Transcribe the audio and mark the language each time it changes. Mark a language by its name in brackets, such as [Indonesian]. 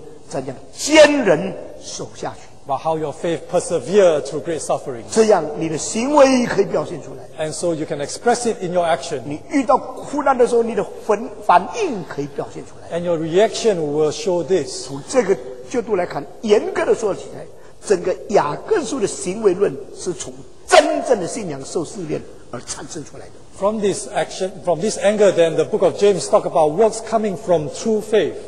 [Chinese] 看你真的信在试验的过程中间怎样坚忍守下去, [English] but how your faith persevere through great suffering. [Chinese] 这样你的行为可以表现出来, [English] and so you can express it in your action. [Chinese] 你遇到苦难的时候你的反应可以表现出来, [English] and your reaction will show this. [Chinese] 从这个角度来看, 严格的说起来, 整个雅各书的行为论是从真正的信仰受试炼而产生出来的。 [English] From this action, from this anger, then the book of James talks about works coming from true faith.